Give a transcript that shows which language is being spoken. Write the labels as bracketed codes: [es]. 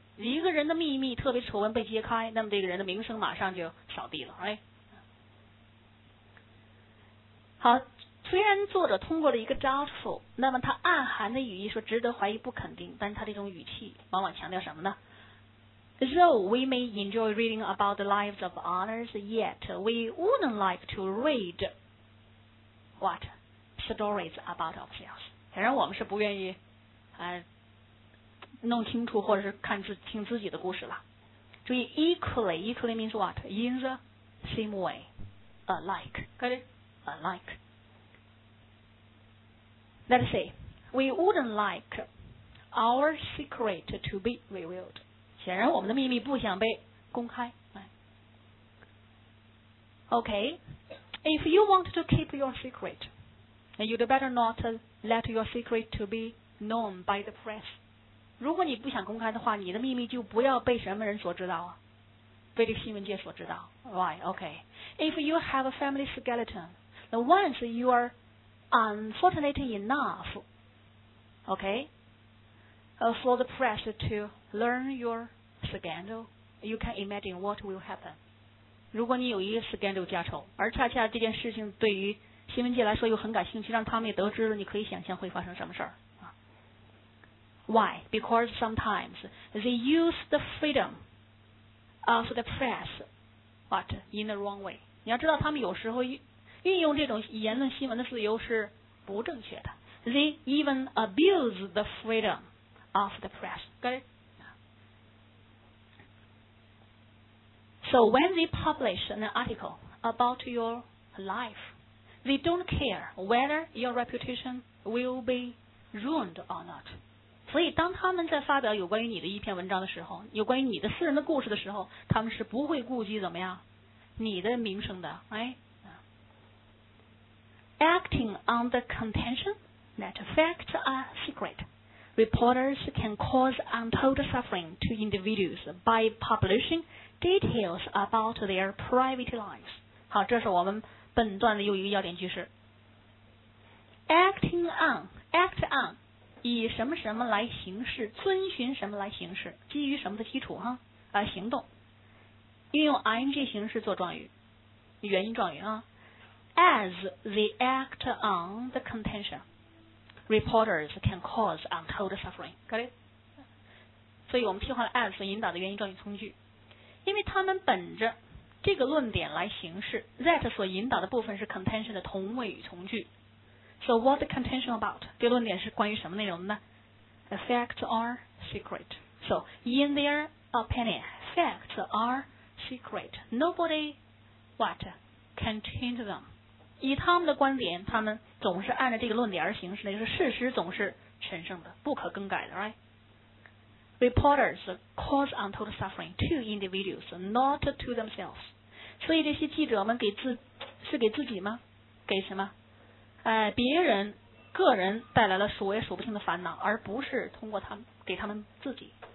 [zh] 一个人的秘密特别丑闻被揭开，那么这个人的名声马上就扫地了。哎，好，虽然作者通过了一个 doubtful， 那么他暗含的语义说值得怀疑不肯定，但是他这种语气往往强调什么呢？ [en] Though we may enjoy reading about the lives of others, yet we wouldn't like to read what stories about ourselves。 [zh] 显然我们是不愿意弄清楚或者是看听自己的故事了。注意 [en] equally means what? In the same way, alike. Got it? Alike. Let's see. We wouldn't like our secret to be revealed. [zh] 显然我们的秘密不想被公开。 [en] Okay. If you want to keep your secret, you'd better not let your secret to be known by the press. [zh] 如果你不想公开的话，你的秘密就不要被什么人所知道啊，被这个新闻界所知道。 [en] Right, okay. If you have a family skeleton, then once you are unfortunate enough, for the press to learn your scandal, you can imagine what will happen. [zh] 如果你有一个 scandal 家仇，而恰恰这件事情对于新闻界来说又很感兴趣，让他们也得知了，你可以想象会发生什么事儿。 [en] Why? Because sometimes they use the freedom of the press, but in the wrong way. [zh] 你要知道，他们有时候运用这种言论新闻的自由是不正确的。 [en] They even abuse the freedom of the press. Okay? So when they publish an article about your life, they don't care whether your reputation will be ruined or not. [zh] 所以当他们在发表有关于你的一篇文章的时候，有关于你的私人的故事的时候，他们是不会顾及怎么样你的名声的。 [en] Acting on the contention that facts are secret, reporters can cause untold suffering to individuals by publishing details about their private lives. [zh] 好，这是我们本段的又一个要点句式。Act on,以什么什么来行事，遵循什么来行事，基于什么的基础哈，行动，运用 ing 形式做状语，原因状语啊。 [en] As they act on the contention, reporters can cause untold suffering. Got it? [zh] 所以我们替换了 as 引导的原因状语从句，因为他们本着这个论点来行事 ，that 所引导的部分是 contention 的同位语从句。 [en] So what the contention about? [zh] 这论点是关于什么内容呢？ [en] Facts are secret. So in their opinion, facts are secret. Nobody what can change them. [zh] 以他们的观点，他们总是按照这个论点而行事，就是事实总是神圣的，不可更改的 ， [en] right? Reporters cause untold suffering to individuals, not to themselves. [zh] 所以这些记者们给自己吗？给什么？别人个人带来了数也数不清的烦恼，而不是通过他们给他们自己。